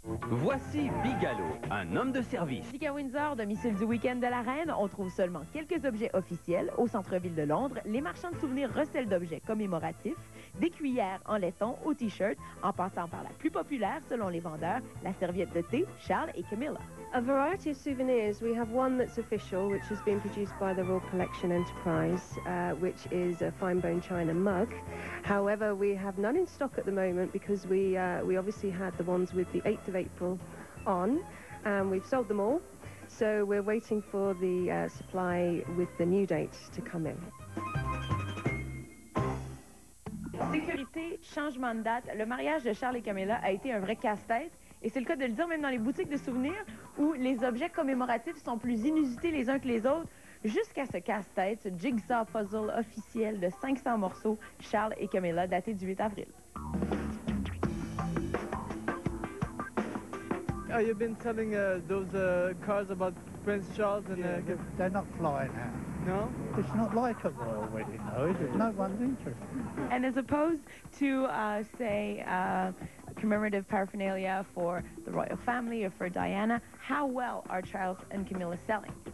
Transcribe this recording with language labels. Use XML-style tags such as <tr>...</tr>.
<fr>Voici Bigalow, un homme de service. Dick à Windsor, domicile du week-end de la reine, on trouve seulement quelques objets officiels. Au centre-ville de Londres, les marchands de souvenirs recèlent d'objets commémoratifs, des cuillères en laiton ou t-shirts, en passant par la plus populaire, selon les vendeurs, la serviette de thé, Charles et Camilla.</fr> <en>A variety of souvenirs. We have one that's official, which has been produced by the Royal Collection Enterprise, which is a fine bone china mug. However, we have none in stock at the moment because we obviously had the ones with the 8th of April on, and we've sold them all. So we're waiting for the supply with the new dates to come in.</en> <fr>Sécurité, changement de date, le mariage de Charles et Camilla a été un vrai casse-tête. Et c'est le cas de le dire même dans les boutiques de souvenirs où les objets commémoratifs sont plus inusités les uns que les autres. Jusqu'à ce casse-tête, ce jigsaw puzzle officiel de 500 morceaux, Charles et Camilla, daté du 8 avril.</fr> <en>Oh, you've been selling those cars about Prince Charles and... They're not flying now. No? It's not like a royal wedding, though, is it? No one's interested. And as opposed to, say, commemorative paraphernalia for the royal family or for Diana, how well are Charles and Camilla selling?</en>